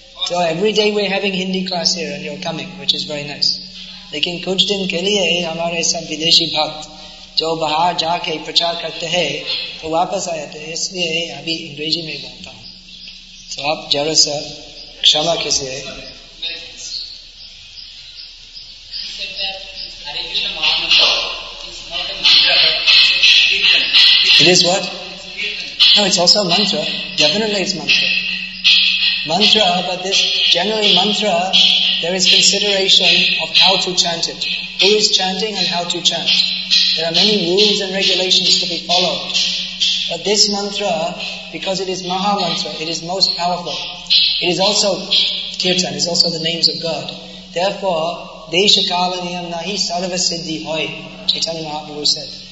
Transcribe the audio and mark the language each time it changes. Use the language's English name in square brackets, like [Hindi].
[English] So every day we're having Hindi class here and you're coming, which is very nice. [Hindi] लेकिन कुछ दिन के लिए हमारे सब विदेशी भक्त जो बाहर जाके प्रचार करते हैं तो वापस आए थे इसलिए अभी अंग्रेजी में बोलता हूँ तो आप जरा सा क्षमा कीजिए [English] It is what no it's also mantra definitely it's mantra but this generally mantra There is consideration of how to chant it. Who is chanting and how to chant. There are many rules and regulations to be followed. But this mantra, because it is Maha Mantra, it is most powerful. It is also Kirtan, it is also the names of God. Therefore, [Bangla] Desha Kala Niyam Nahi Sarva Siddhi Hoy, [English] Chaitanya Mahaprabhu said.